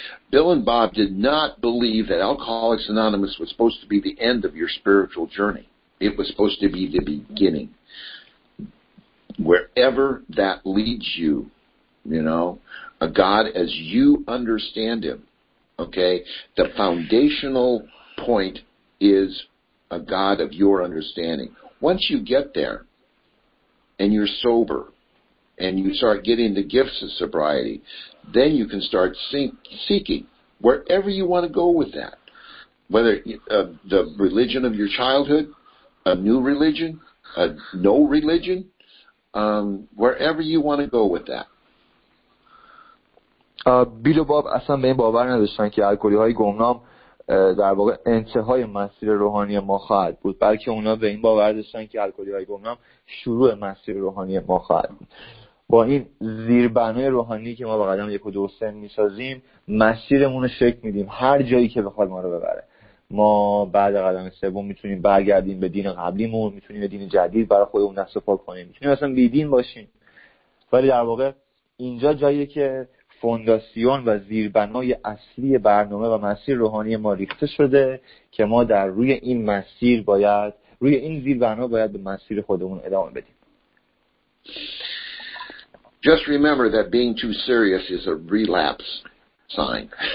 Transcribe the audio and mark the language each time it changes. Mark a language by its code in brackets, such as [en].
[en] Bill and Bob did not believe that Alcoholics Anonymous was supposed to be the end of your spiritual journey. It was supposed to be the beginning. Wherever that leads you, you know, a God as you understand him, okay, the foundational point is a God of your understanding. Once you get there and you're sober, and you start getting the gifts of sobriety, then you can start seeking wherever you want to go with that, whether the religion of your childhood, a new religion, a no religion, wherever you want to go with that. [fa] بیل و باب اصلا به این باور نداشتن که الکلی‌های گمنام در واقع انتهای مسیر روحانی ما خواهد بود، بلکه اونا به این باور داشتن که الکلی‌های گمنام شروع مسیر روحانی ما خواهد بود. با این زیربنای روحانی که ما با قدم یک و دو سه میسازیم، مسیرمون رو شکل میدیم هر جایی که بخواد ما رو ببره. ما بعد قدم سوم میتونیم برگردیم به دین قبلیمون، میتونیم به دین جدید برای خودمون دست و پا کنیم، میتونیم اصلا بی دین باشیم، ولی در واقع اینجا جاییه که فونداسیون و زیربنای اصلی برنامه و مسیر روحانی ما ریخته شده که ما در روی این مسیر باید، روی این زیربنا باید به مسیر خودمون ادامه بدیم. [en] Just remember that being too serious is a relapse sign.